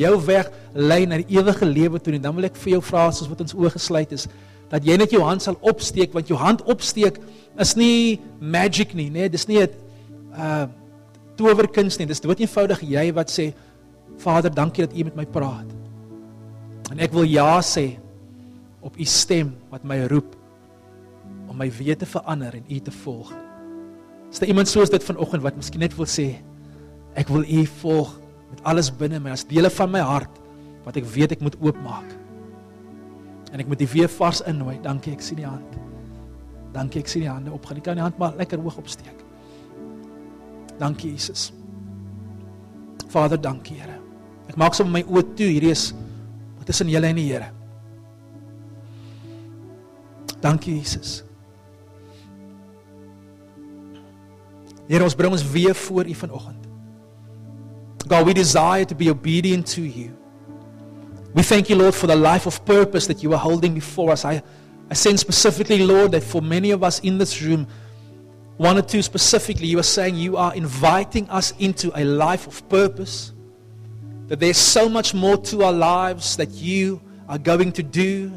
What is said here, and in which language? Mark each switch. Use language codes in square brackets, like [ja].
[af] Jou weg lei na die ewige lewe toe nie. Dan wil ek vir jou vra soos wat ons oorgesluit is, dat jy net jou hand sal opsteek, want jou hand opsteek is nie magic nie, nee, dis nie 'n toowerkuns nie. Dis dood eenvoudig jy wat sê, Vader, dankie dat U met my praat. En ek wil ja sê op U stem wat my roep om my weet te verander en U te volg. Is daar iemand soos dit vanoggend wat miskien net wil sê, ek wil U volg met alles binne my, as dele van my hart, wat ek weet ek moet oopmaak. En ek moet die weer vars innooi. Dankie, ek sien die hand. Dankie, ek sien die hande opgaan. Ek kan die hand maar lekker hoog opsteek. Dankie, Jesus. Vader, dankie, Here. Ek maak so my oë toe, hierdie is tussen julle en die Here. Dankie, Jesus. Here, ons bring ons weer voor U vanoggend. [en] God, we desire to be obedient to You. We thank You, Lord, for the life of purpose that You are holding before us. I sense specifically, Lord, that for many of us in this room, one or two specifically, You are saying You are inviting us into a life of purpose. That there's so much more to our lives that You are going to do.